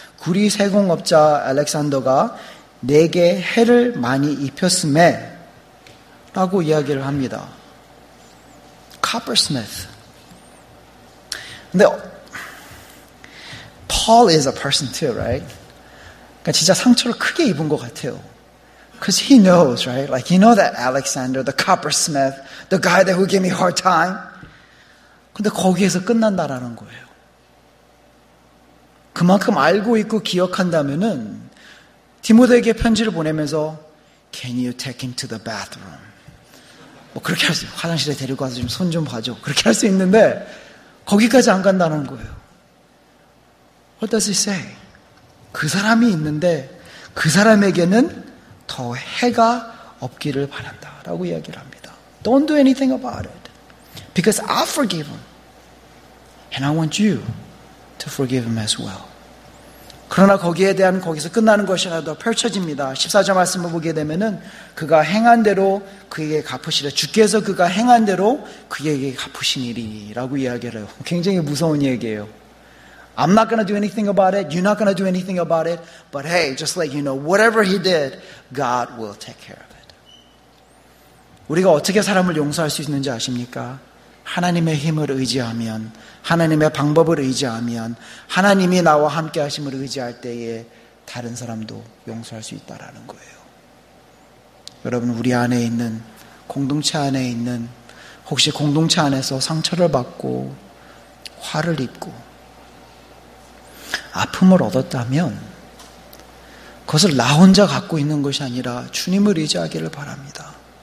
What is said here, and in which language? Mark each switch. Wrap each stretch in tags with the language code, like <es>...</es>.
<ko>구리 세공업자 알렉산더가 내게 해를 많이 입혔음에 라고 이야기를 합니다.</ko> <en>Coppersmith.</en> <ko>근데</ko> <en>Paul is a person too, right?</en> <ko>그러니까 진짜 상처를 크게 입은 것 같아요.</ko> <en>Because he knows, right? Like he know that Alexander, the coppersmith, the guy that who gave me hard time.</en> <ko>근데 거기에서 끝난다라는 거예요. 그만큼 알고 있고 기억한다면은 디모데에게 편지를 보내면서</ko> <en>Can you take him to the bathroom?</en> <ko>뭐 그렇게 할 수 있어요. 화장실에 데리고 가서 좀 손 좀 봐줘. 그렇게 할 수 있는데 거기까지 안 간다는 거예요.</ko> <en>What does he say?</en> <ko>그 사람이 있는데 그 사람에게는 더 해가 없기를 바란다 라고 이야기를 합니다.</ko> <en>Don't do anything about it. Because I forgive him. And I want you to forgive him as well.</en> <ko>그러나 거기에 대한 거기서 끝나는 것이 아니라 더 펼쳐집니다. 14절 말씀을 보게 되면은 그가 행한 대로 그에게 갚으시라. 주께서 그가 행한 대로 그에게 갚으신 일이라고 이야기를 해요. 굉장히 무서운 얘기예요.</ko> <en>I'm not going to do anything about it. You're not going to do anything about it. But hey, just like you know, whatever he did, God will take care of it.</en> <ko>우리가 어떻게 사람을 용서할 수 있는지 아십니까? 하나님의 힘을 의지하면, 하나님의 방법을 의지하면, 하나님이 나와 함께 하심을 의지할 때에 다른 사람도 용서할 수 있다라는 거예요. 여러분, 우리 안에 있는, 공동체 안에 있는, 혹시 공동체 안에서 상처를 받고 화를 입고 아픔을 얻었다면 그것을 나 혼자 갖고 있는 것이 아니라 주님을 의지하기를 바랍니다.</ko>